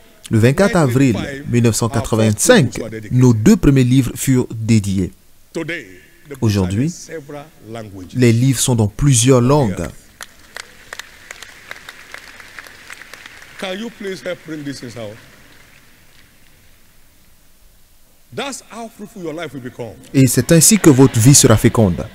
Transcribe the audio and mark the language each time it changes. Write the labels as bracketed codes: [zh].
[fr] Le 24 avril 1985, nos deux premiers livres furent dédiés. Aujourd'hui, les livres sont dans plusieurs langues. [en] Can you please help bring this in out? That's how fruitful your life will become. [fr] Et c'est ainsi que votre vie sera féconde.